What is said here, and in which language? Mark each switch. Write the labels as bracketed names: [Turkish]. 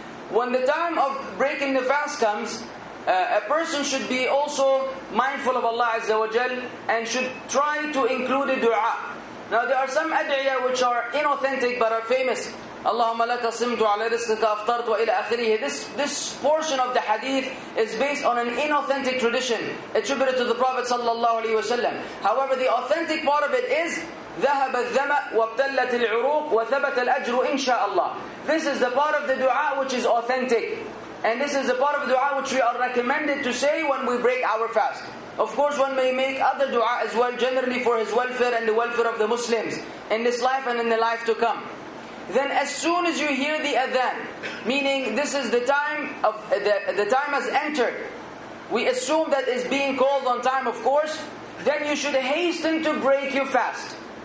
[English] When the time of breaking the fast comes, a person should be also mindful of Allah Azza wa Jal and should try to include a dua. Now there are some ad'iyah which are inauthentic but are famous. [Arabic] Allahumma laka simtu ala rizqika aftart wa ila akhirih. [English] This portion of the hadith is based on an inauthentic tradition attributed to the Prophet sallallahu alaihi wasallam. However, the authentic part of it is [Arabic] ذَهَبَ الذَّمَأْ وَابْتَلَّتِ الْعُرُوقِ وَثَبَتَ الْأَجْرُ إِنْشَاءَ اللَّهِ. [English] This is the part of the dua which is authentic. And this is a part of the dua which we are recommended to say when we break our fast. Of course, one may make other dua as well, generally for his welfare and the welfare of the Muslims in this life and in the life to come. Then as soon as you hear the adhan, meaning this is the time of the time has entered, we assume that it's being called on time, of course, then you should hasten to break your fast.